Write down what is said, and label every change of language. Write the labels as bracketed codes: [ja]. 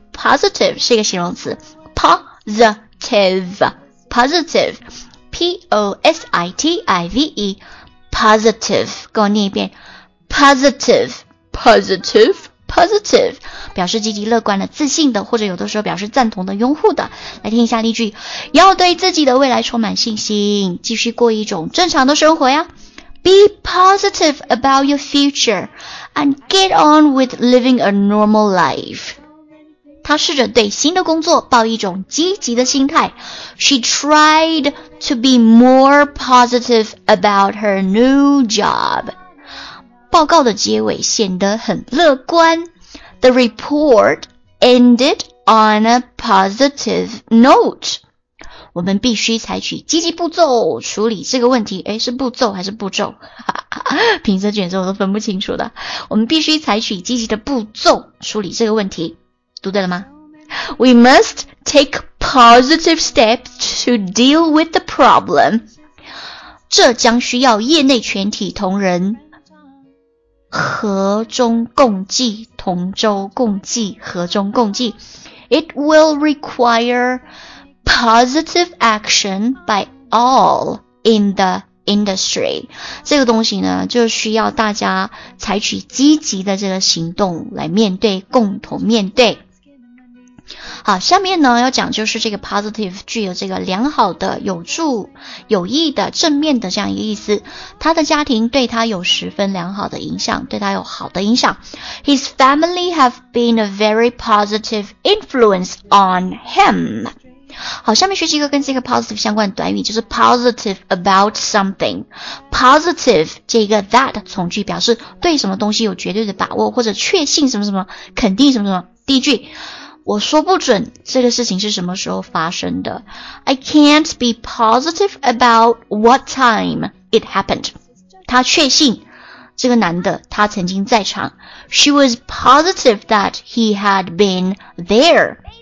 [zh] positive 是一个形容词 positive positive P-O-S-I-T-I-V-E positive， 跟我念一遍 positive positive positive， 表示积极乐观的、自信的，或者有的时候表示赞同的、拥护的。来听一下例句，要对自己的未来充满信心，继续过一种正常的生活呀。 [en] Be positive about your future and get on with living a normal life. [zh] 她试着对新的工作抱一种积极的心态。 [en] She tried to be more positive about her new job. [zh] 报告的结尾显得很乐观。 [en] the report ended on a positive note. [zh] 我们必须采取积极步骤处理这个问题。诶，是步骤还是步骤？平仄卷舌我都分不清楚的。我们必须采取积极的步骤处理这个问题。读对了吗？ [en] We must take positive steps to deal with the problem. [zh] 这将需要业内全体同仁和衷共济，同舟共济，和衷共济。 [en] It will require positive action by all in the industry. [zh] 这个东西呢，就需要大家采取积极的这个行动来面对，共同面对。好，下面呢要讲就是这个 positive 具有这个良好的、有助、有益的、正面的这样一个意思。他的家庭对他有十分良好的影响，对他有好的影响。 [en] His family have been a very positive influence on him. [zh] 好，下面学习一个跟这个 positive 相关的短语，就是 [en] positive about something. [zh] Positive 这个 that 从句表示对什么东西有绝对的把握，或者确信什么什么，肯定什么什么。第一句。我说不准这个事情是什么时候发生的。 [en] I can't be positive about what time it happened. [zh] 他确信这个男的他曾经在场。 [en] She was positive that he had been there.